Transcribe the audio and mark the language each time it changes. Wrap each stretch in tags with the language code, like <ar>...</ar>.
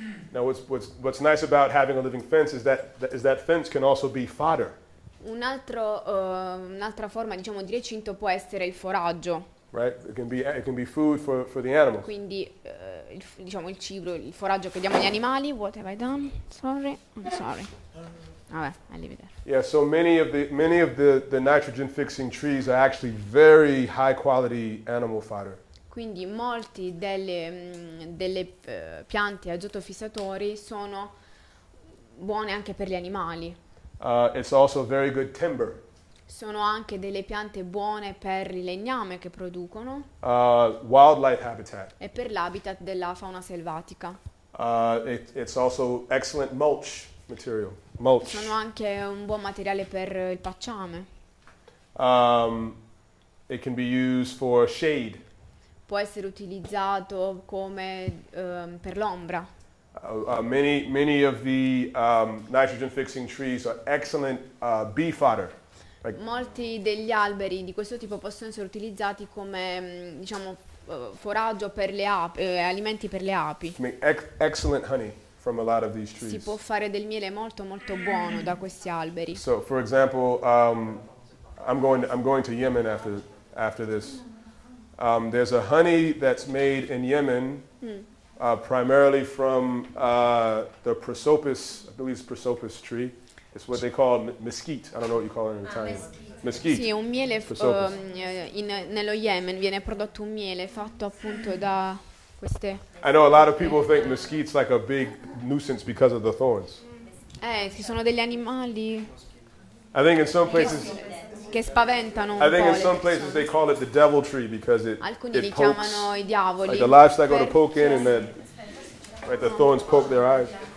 <en>Now what's nice about having a living fence is that fence can also be fodder.</en> <it>Un'altra forma, diciamo, di recinto può essere il foraggio.</it> <en>Right, it can be food for the animals.</en> <it>Quindi diciamo il cibo, il foraggio che diamo agli animali. What have I done? I'm sorry. Vabbè, I leave it there.</it> <en>Yeah, so many of the nitrogen fixing trees are actually very high quality animal fodder.</en> <it>Quindi molti delle piante azoto fissatori sono buone anche per gli animali.</it> <en>It's also very good timber.</en> <it>Sono anche delle piante buone per il legname che producono.</it> <en>Wildlife habitat.</en> <it>E per l'habitat della fauna selvatica.</it> <en>It's also excellent mulch material. Mulch.</en> <it>Sono anche un buon materiale per il pacciame.</it> <en>It can be used for shade.</en> <it>Può essere utilizzato come per l'ombra.</it> <en>Many of the nitrogen fixing trees are excellent bee fodder.</en> <it>Like, molti degli alberi di questo tipo possono essere utilizzati come, diciamo, foraggio per le api, alimenti per le api.</it> <en>Excellent honey from a lot of these trees.</en> <it>Si può fare del miele molto molto buono da questi alberi.</it> <en>So, for example, I'm going to Yemen after this. There's a honey that's made in Yemen primarily from the Prosopis, I believe it's Prosopis tree. It's what they call mesquite. I don't know what you call it in Italian. Mesquite.</en> <it>Sì, un miele nello Yemen viene prodotto un miele fatto appunto da queste.</it> <en>I know a lot of people think mesquite's like a big nuisance because of the thorns.</en> <it>Ci sono degli animali.</it> <en>I think in some places.</en> <it>Che spaventano.</it> <en>I think in some places they call it the devil tree because it.</en> <it>Alcuni li chiamano i diavoli.</it> <en>Like the livestock go to poke in and then, right, the thorns poke their eyes.</en>